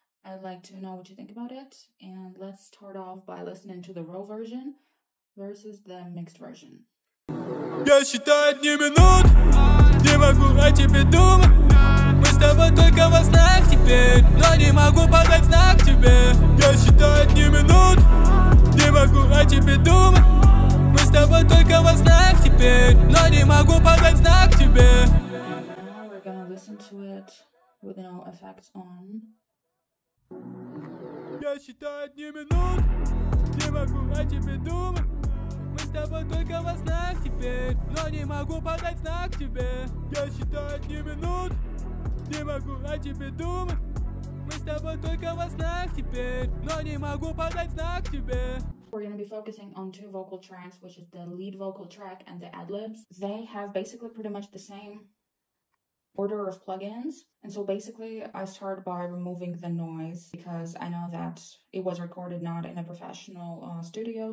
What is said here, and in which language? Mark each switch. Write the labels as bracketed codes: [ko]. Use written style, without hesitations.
[en] I'd like to know what you think about it. And let's start off by listening to the raw version versus the mixed version. [ru] Я считаю дни минут, не могу о тебе думать. Мы с тобой только во снах теперь, но не могу подать знак тебе. Я считаю дни минут, не могу о тебе думать. Мы с тобой только во снах теперь, но не могу подать знак тебе. [en] Now we're gonna listen to it with no effects on. [ru] Я считаю дни минут, не могу о тебе думать. Мы с тобой только во снах теперь, но не могу подать знак тебе. Я считаю дни минут, не могу о тебе думать. Мы с тобой только во снах теперь, но не могу подать знак тебе. [en] We're going to be focusing on two vocal tracks, which is the lead vocal track and the adlibs. They have basically pretty much the same order of plugins. And so basically, I start by removing the noise because I know that it was recorded not in a professional studio.